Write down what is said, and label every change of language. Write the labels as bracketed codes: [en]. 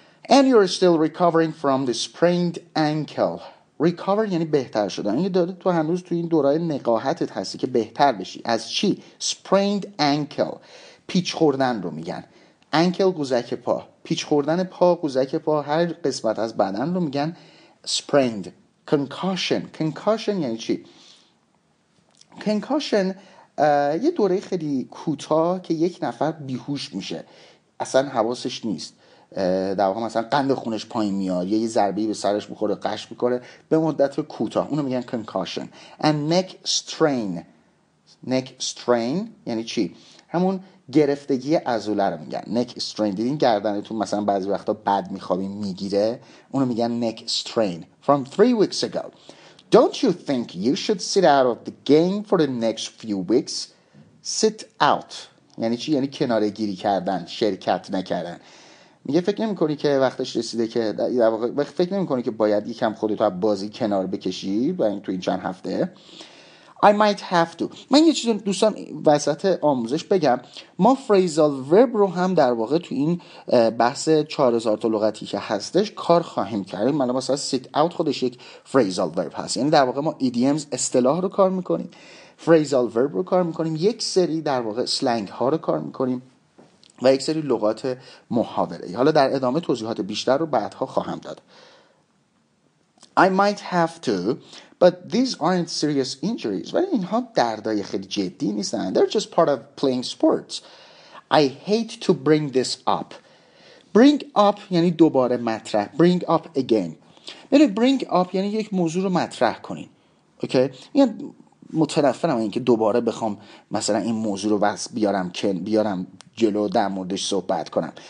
[en] And you're still recovering from the sprained ankle. [fa] Recover یعنی بهتر شدن. یعنی داده تو هنوز تو این دورای نقاهتت هستی که بهتر بشی. از چی؟ Sprained ankle، پیچ خوردن رو میگن. Ankle قوزک پا، پیچ خوردن پا، قوزک پا، هر قسمت از بدن رو میگن sprained. Concussion یعنی چی؟ Concussion یه دوره خیلی کوتاه که یک نفر بیهوش میشه، اصلا حواسش نیست، در واقع مثلا قند خونش پایین میاد، یه ضربه‌ای به سرش بخوره، قش بکنه، به مدت کوتاه، اونو میگن concussion. [en] And neck strain [fa] یعنی چی؟ همون گرفتگی عضله رو میگن. neck strain، دیدین گردنتون مثلا بعضی وقتا بد میخوابین میگیره، اونو میگن neck strain. [en] From 3 weeks ago. Don't you think you should sit out of the game for the next few weeks? [fa] Sit out یعنی چی؟ یعنی کناره گیری کردن، شرکت نکردن. میگه فکر نمی‌کنی که وقتش رسیده که در واقع فکر نمی‌کنی که باید یکم خودت رو از بازی کنار بکشی با این تو این چند هفته. [en] I might have to. [fa] من یه چیزی دوستان وسط آموزش بگم، ما phrasal verb رو هم در واقع تو این بحث 4000 تا لغتی که هستش کار خواهیم کرد. مثلا sit out خودش یک phrasal verb هست، یعنی در واقع ما idioms اصطلاح رو کار میکنیم، phrasal verb رو کار میکنیم، یک سری در واقع slang ها رو کار میکنیم و یک سری لغات محاوره. حالا در ادامه توضیحات بیشتر رو بعدها خواهم داد. [en] I might have to, but these aren't serious injuries. [fa] ولی اینها دردای خیلی جدی نیستن. [en] They're just part of playing sports. I hate to bring this up. Bring up [fa] یعنی دوباره مطرح. [en] Bring up again. [fa] یعنی bring up یعنی یک موضوع رو مطرح کنین. اوکی؟ یعنی متنفرم اینکه دوباره بخوام مثلا این موضوع رو بیارم جلو در موردش صحبت کنم.